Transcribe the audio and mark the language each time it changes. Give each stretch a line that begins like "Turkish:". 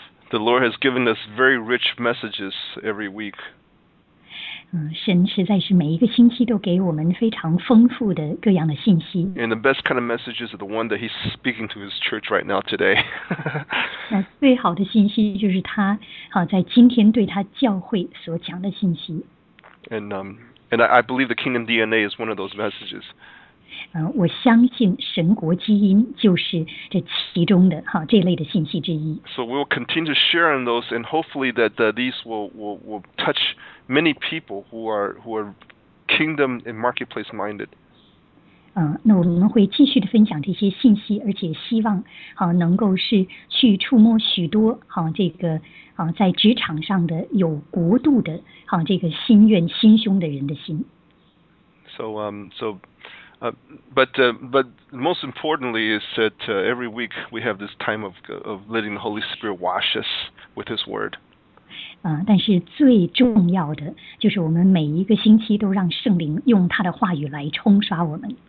English: The Lord has given us very rich messages every week.
Chinese: 神实在是每一个星期都给我们非常丰富的各样的信息。
English: And the best kind of messages are the one that He's speaking to His church right now today.
Chinese: 那最好的信息就是他好在今天对他教会所讲的信息。
English: And I believe the Kingdom DNA is one of those messages.
Chinese: 我相信神国基因就是这其中的哈这类的信息之一。
English: So we will continue to share on those, and hopefully that these will touch many people who are kingdom and marketplace minded.
Chinese: 那我们会继续的分享这些信息，而且希望好能够是去触摸许多好这个好在职场上的有国度的好这个心愿心胸的人的心。
English: But most importantly is that every week we have this time of letting the Holy Spirit wash us with His Word.
Chinese: 但是最重要的就是我们每一个星期都让圣灵用他的话语来冲刷我们。